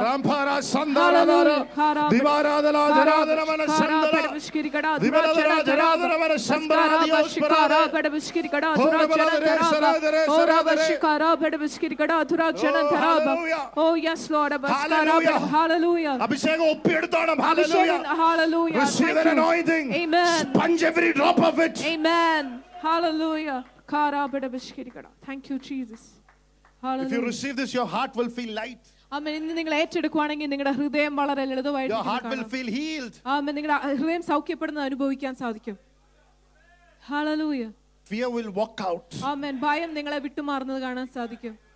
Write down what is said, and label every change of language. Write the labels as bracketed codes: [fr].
[ml] രാംഭാര സന്താനാര ദിവാരാധന ജനാധന മന സന്താന പരിശീരികട ദിവാരാധന ജനാധന മന സന്താന hallelujah. [en] If you receive this, your heart will feel light. [ml] ആമേൻ ഇന്ന് നിങ്ങൾ ഏറ്റെടുക്കുകയാണെങ്കിൽ നിങ്ങളുടെ ഹൃദയം വളരെ ലളിതമായിട്ട് [en] Your heart will feel healed. [ml] ആമേൻ നിങ്ങളുടെ ഹൃദയം സൗഖ്യപ്പെടുന്നത് അനുഭവിക്കാൻ സാധിക്കും. [en] Hallelujah. Fear will walk out. [ml] ആമേൻ ഭയം നിങ്ങളെ വിട്ടു മാറുന്നത് കാണാൻ സാധിക്കും.